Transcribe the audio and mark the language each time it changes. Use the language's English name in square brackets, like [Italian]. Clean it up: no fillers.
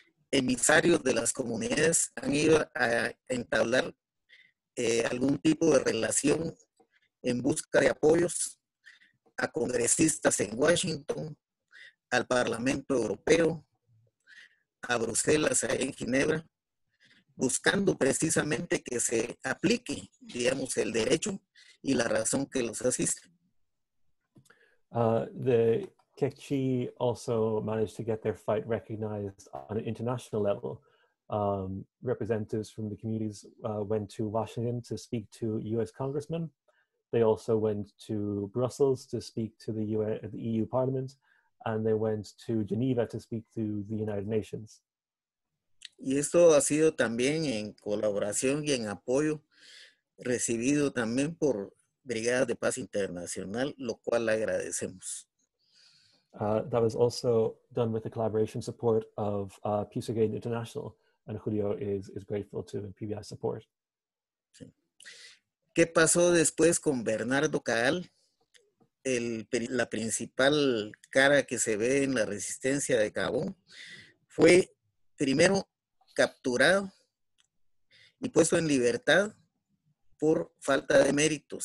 [Spanish] Emisarios de las comunidades han ido a entablar algún tipo de relación en busca de apoyos a congresistas en Washington, al Parlamento Europeo, a Bruselas, ahí en Ginebra, buscando precisamente que se aplique, digamos, el derecho y la razón que los asiste. [English] The Kekchi also managed to get their fight recognized on an international level. Representatives from the communities went to Washington to speak to U.S. congressmen. They also went to Brussels to speak to the EU Parliament, and they went to Geneva to speak to the United Nations. [Spanish] Y esto ha sido también en colaboración y en apoyo recibido también por Brigadas de Paz Internacional, lo cual agradecemos. [English] That was also done with the collaboration support of Peace Again International, and Julio is grateful to the PBI support. [Spanish] ¿Qué pasó después con Bernardo Caal, la principal cara que se ve en la resistencia de Cabón? Fue primero capturado y puesto en libertad por falta de méritos.